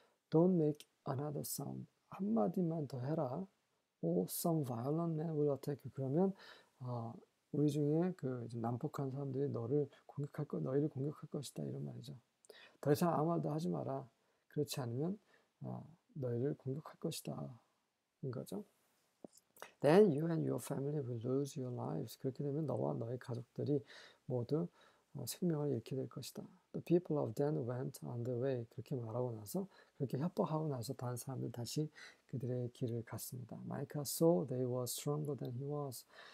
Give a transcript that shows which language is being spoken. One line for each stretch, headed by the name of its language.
English: Don't make another sound.
Korean: 한마디만 더 해라.
English: Or some violent man will attack you.
Korean: 그러면 우리 중에 그 난폭한 사람들이 너희를 공격할 것이다. 이런 말이죠. 더 이상 아무 말도 하지 마라. 그렇지 않으면 너희를 공격할 것이다. 인 거죠.
English: Then you and your family will lose your lives.
Korean: 그렇게 되면 너와 너의 가족들이 모두 생명을 잃게 될 것이다.
English: The people of Dan went on their way.
Korean: 그렇게 말하고 나서 그렇게 협박하고 나서 다른 사람들 다시 그들의 길을 갔습니다.
English: Micah saw they were stronger than he was.